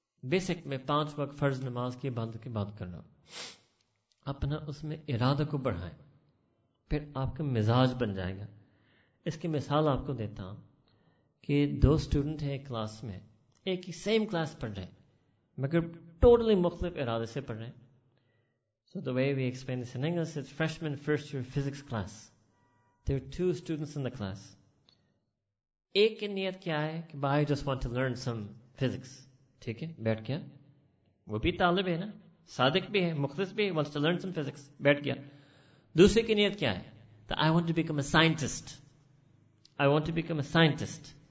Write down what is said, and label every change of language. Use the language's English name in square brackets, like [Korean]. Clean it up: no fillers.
[Urdu] Basic میں پانچ وقت فرض نماز کی عبادت کی بات کرنا, اپنا اس میں ارادہ کو بڑھائیں, پھر آپ کا مزاج بن جائے گا. اس کی مثال آپ کو دیتا ہوں کہ دو اسٹوڈنٹ ہیں ایک کلاس میں, ایک ہی سیم کلاس پڑھ رہے ہیں مگر ٹوٹلی مختلف ارادے سے پڑھ رہے ہیں. [English] So the way we explain this in English is, freshman first year physics class, there are two students in the class. [Urdu] ایک کی نیت کیا ہے کہ بھائی [English] just want to learn some physics, [Urdu] ٹھیک ہے, بیٹھ گیا. وہ بھی طالب ہے نا, صادق بھی ہے, مخلص بھی ہے, [English] want to learn some physics, [Urdu] بیٹھ گیا. دوسرے کی نیت کیا ہے؟ [English] I want to become a scientist, I want to become a scientist.